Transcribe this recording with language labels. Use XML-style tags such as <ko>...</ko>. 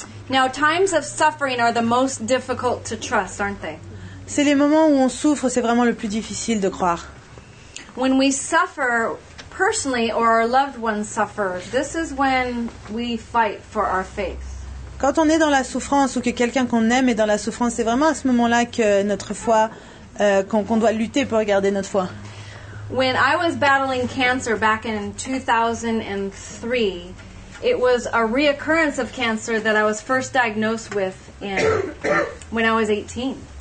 <en>Now, times of suffering are the most difficult to trust, aren't they?</en> <fr>C'est les moments où on souffre, c'est vraiment le plus difficile de croire.</fr> <en>When we suffer personally or our loved ones suffer, this is when we fight for our faith.</en> <fr>Quand on est dans la souffrance ou que quelqu'un qu'on aime est dans la souffrance, c'est vraiment à ce moment-là que notre foi, qu'on doit lutter pour garder notre foi.</fr> <en>When I was battling cancer back in 2003, it was a reoccurrence of cancer that I was first diagnosed with when I was 18.</en>